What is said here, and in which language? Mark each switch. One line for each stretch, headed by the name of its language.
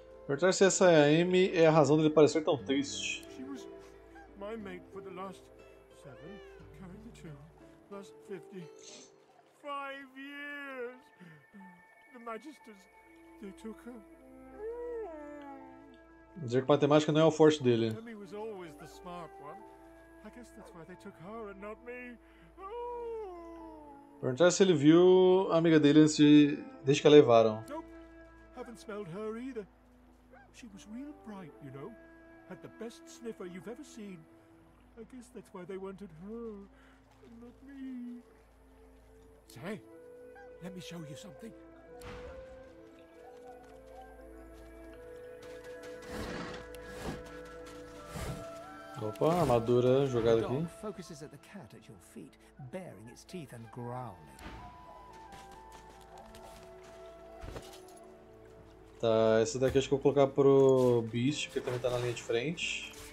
Portuguese: Perguntar se essa é a Emmy é a razão dele parecer tão triste.
English: She was my mate for the last 7, carried the 2, last 55 years. The Magisters, they took her.
Portuguese: Dizer que matemática não é o forte dele.
English: Emmy was always the smart one. I guess that's why they took her and not me.
Portuguese: Perguntar se ele viu a amiga dele antes de... desde que a levaram.
English: Nope. Haven't smelled her either. She was real bright, you know. Had the best sniffer you've ever seen. I guess that's why they wanted her and not me. Say, let me show you something.
Portuguese: Opa, armadura jogada aqui.
English: Focuses at the cat at your feet, baring its teeth and growling.
Portuguese: Tá, essa daqui acho que eu vou colocar pro Beast, porque ele também tá na linha de frente.